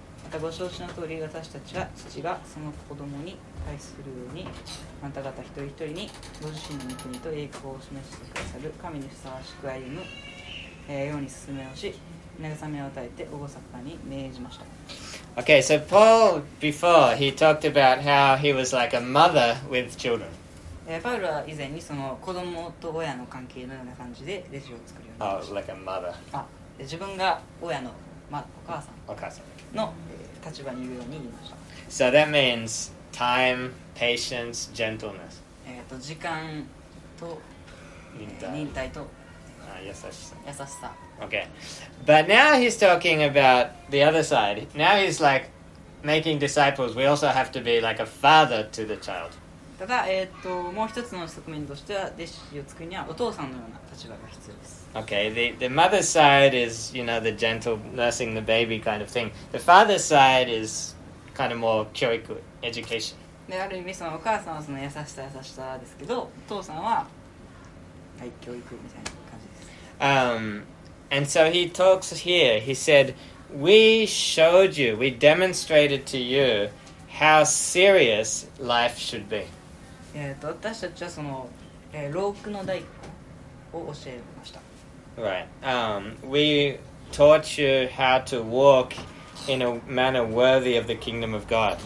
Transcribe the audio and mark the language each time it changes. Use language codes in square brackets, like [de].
[ja] またご承知の通り、私たちは父がその子供に対するようにあなた方一人一人にご自身の御国と栄光を示してくださる神にふさわしく歩むように進めをし、慰めを与えて厳かに命じました。 [en] Okay, so Paul before he talked about how he was like a mother with children. [ja] パウロは以前にその子供と親の関係のような感じで弟子を作るようになりました。 [en] Oh, like a mother. [ja] 自分が親の、ま、お母さん。お母さん。 [en] So that means time, patience, gentleness. [ja] 時間と忍耐と優しさ。 [en] Okay. But now he's talking about the other side. Now he's like making disciples. We also have to be like a father to the child. [ja] ただ、もう一つの側面としては、弟子を作るにはお父さんのような立場が必要です。 [en] Okay, the mother's side is, you know, the gentle nursing the baby kind of thing. The father's side is kind of more 教育 education. [ja] である意味そのお母さんはその優しさですけど、お父さんは、はい、教育みたいな感じです。 [en] And so he talks here, he said, we showed you, we demonstrated to you how serious life should be. [ja] 私たちはその、老苦の代を教えました。 [en] Right. We taught you how to walk in a manner worthy of the kingdom of God.